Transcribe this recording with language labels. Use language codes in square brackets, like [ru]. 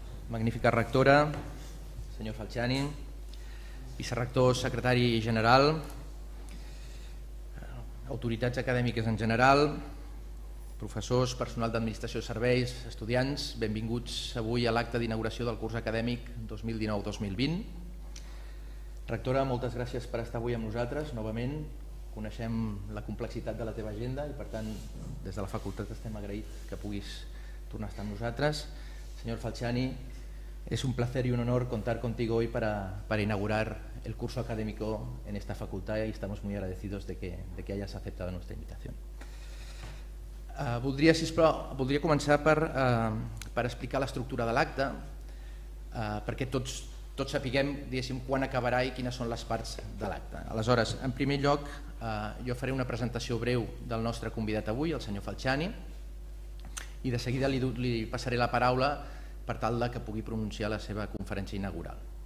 [ca] Magnífica rectora, senyor Falciani, vicerrector, secretari general, autoritats acadèmiques en general, professors, personal d'administració de serveis, estudiants, benvinguts avui a l'acte d'inauguració del curs acadèmic 2019-2020. Rectora, moltes gràcies per estar avui amb nosaltres, novament. Coneixem la complexitat de la teva agenda i, per tant, des de la facultat estem agraïts que puguis tornar a estar amb nosaltres. [es] Senyor Falciani, es un placer y un honor contar contigo hoy para inaugurar el curso académico en esta facultad y estamos muy agradecidos de que hayas aceptado nuestra invitación. [ca] Voldria començar per explicar l'estructura de l'acte, perquè tots sapiguem, diguéssim, quan acabarà i quines són les parts de l'acte. Aleshores, en primer lloc, jo faré una presentació breu del nostre convidat avui, el senyor Falciani, i de seguida li passaré la paraula per tal que pugui pronunciar la seva conferència inaugural.